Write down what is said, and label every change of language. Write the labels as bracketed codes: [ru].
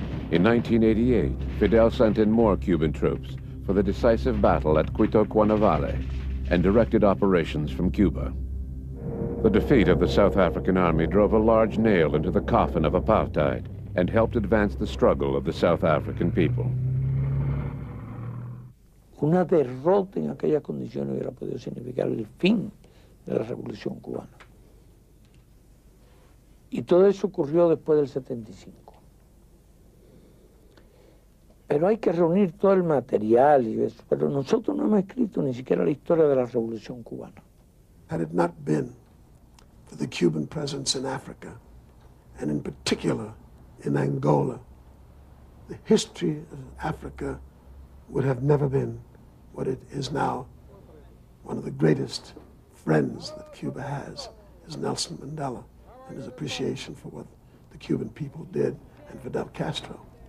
[en] In 1988, Fidel sent in more Cuban troops for the decisive battle at Quito Cuanavale and directed operations from Cuba. The defeat of the South African army drove a large nail into the coffin of apartheid and helped advance the struggle of the South African people. [es] Una derrota en aquellas condiciones hubiera podido significar el fin de la Revolución Cubana. Y todo eso ocurrió después del 75. Pero hay que reunir todo el material y eso. Pero nosotros no hemos escrito ni siquiera la historia de la Revolución Cubana. [en] Had it not been for the Cuban presence in Africa, and in particular in Angola, the history of Africa would have never been what it is now. One of the greatest friends that Cuba has is Nelson Mandela and his appreciation for what the Cuban people did and Fidel Castro.